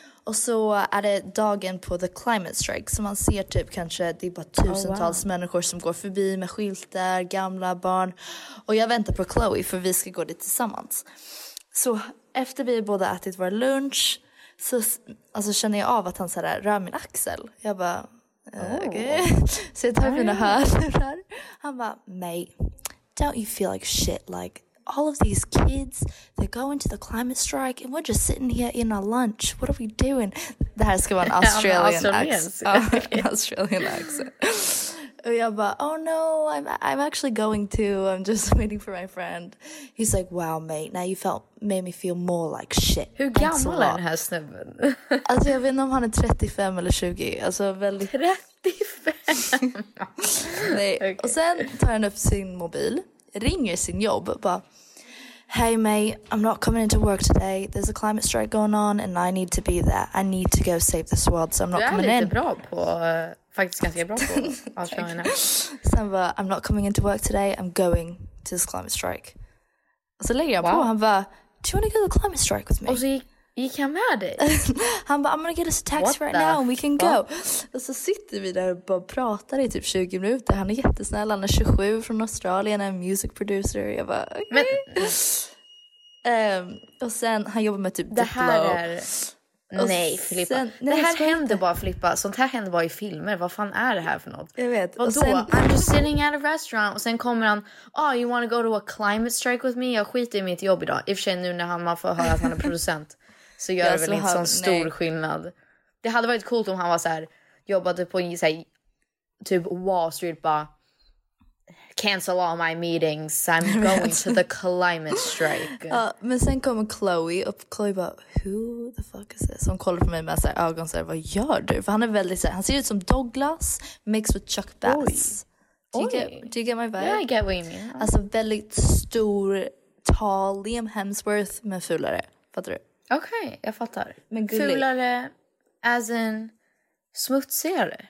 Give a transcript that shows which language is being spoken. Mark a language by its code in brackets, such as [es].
[sv] Och så är det dagen på The Climate Strike. Så man ser typ kanske, det är bara tusentals människor som går förbi med skyltar, gamla, barn. Och jag väntar på Chloe för vi ska gå dit tillsammans. Så efter vi båda ätit vår lunch... Så alltså, känner jag av att han så här, rör min axel. Jag bara, okay. Så jag tar mina hörlurar. Han bara, [en] mate, don't you feel like shit? Like, all of these kids, they're going to the climate strike and we're just sitting here in our lunch. What are we doing? [sv] Det här ska vara en Australian accent. Och jag bara, [en] oh no, I'm actually going to. I'm just waiting for my friend. He's like, wow mate, now you felt made me feel more like shit. [sv] Hur gammal är den här snubben? Alltså jag vet inte om han är 35 eller 20. Alltså väldigt... 35? Nej. Okay. Och sen tar han upp sin mobil, ringer sin jobb och bara, [en] hey mate, I'm not coming into work today. There's a climate strike going on and I need to be there. I need to go save this world, so I'm not coming in. [sv] Du är lite bra på... Faktiskt ganska bra på Australien. Så han bara, [en] I'm not coming into work today. I'm going to this climate strike. [sv] Och så lägger jag på. Han bara, [en] do you want to go to the climate strike with me? [sv] Och så gick han med dig. Han bara, [en] I'm going to get us a taxi what right now and we can go. [sv] Och så sitter vi där och bara pratar i typ 20 minuter. Han är jättesnäll. Han är 27 från Australien. Han är en music producer. Jag bara, okay. Men... och sen, han jobbar med typ Diplo. Det här är... Nej, Filippa. Det här händer bara, Filippa. Sånt här händer bara i filmer. Vad fan är det här för något? Jag vet. Och då, [en] I'm just sitting at a restaurant. [sv] Och sen kommer han, [en] oh, you want to go to a climate strike with me? [sv] Jag skiter i mitt jobb idag. I och för sig nu när man får höra att han är producent. Så gör det väl inte sån stor skillnad. Det hade varit coolt om han var så här, jobbade på en så här, typ Wall Street, bara... [en] Cancel all my meetings. I'm going to the climate strike. [sv] Men sen kommer Chloe. Och Chloe bara, [en] who the fuck is this? [sv] Hon kollar på mig med sina ögon så här, vad gör du? För han är väldigt så här, han ser ut som Douglas mixed with Chuck Bass. [en] Do you get my vibe? Yeah, I get what you mean. [sv] Alltså väldigt stor, tall Liam Hemsworth, men fulare. Fattar du? Okej, jag fattar. Men gullig. Fulare as in smutsigare?